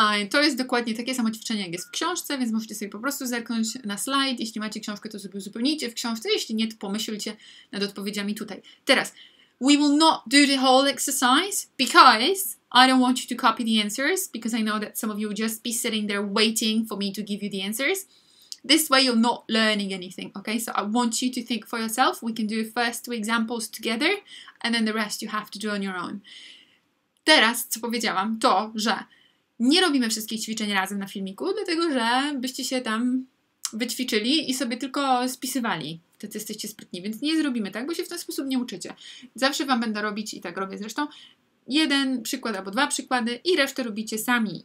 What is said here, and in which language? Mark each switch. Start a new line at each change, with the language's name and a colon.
Polish: To jest dokładnie takie samo ćwiczenie, jak jest w książce, więc możecie sobie po prostu zerknąć na slajd. Jeśli macie książkę, to sobie uzupełnijcie w książce. Jeśli nie, to pomyślcie nad odpowiedziami tutaj.
English: Teraz, we will not do the whole exercise because I don't want you to copy the answers because I know that some of you will just be sitting there waiting for me to give you the answers. This way you're not learning anything, okay? So I want you to think for yourself. We can do first two examples together and then the rest you have to do on your own.
Polish: Teraz, co powiedziałam, to, że nie robimy wszystkich ćwiczeń razem na filmiku, dlatego że byście się tam wyćwiczyli i sobie tylko spisywali. Wtedy jesteście sprytni, więc nie zrobimy tak, bo się w ten sposób nie uczycie. Zawsze wam będę robić, i tak robię zresztą, jeden przykład albo dwa przykłady i resztę robicie sami.